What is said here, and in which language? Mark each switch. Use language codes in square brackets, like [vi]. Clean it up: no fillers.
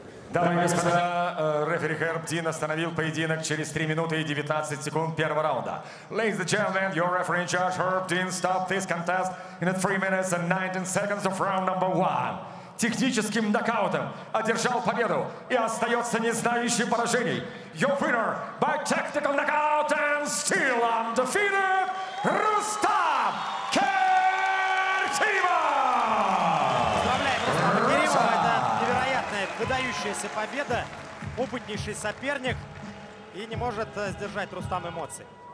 [ru] Дамы и господа, рефери Херб Дин остановил поединок через 3 минуты и 19 секунд первого раунда. [en] Ladies and gentlemen, your referee in charge, Херб Дин, stopped this contest in 3 minutes and 19 seconds of round number 1. [ru] Техническим нокаутом одержал победу и остается не знающим поражений. [en] Your winner by technical knockout and still undefeated, Рустам Керимов! [ru] Поздравляем Рустама Керимова. Это невероятная, выдающаяся победа. Опытнейший соперник и не может сдержать Рустам эмоций.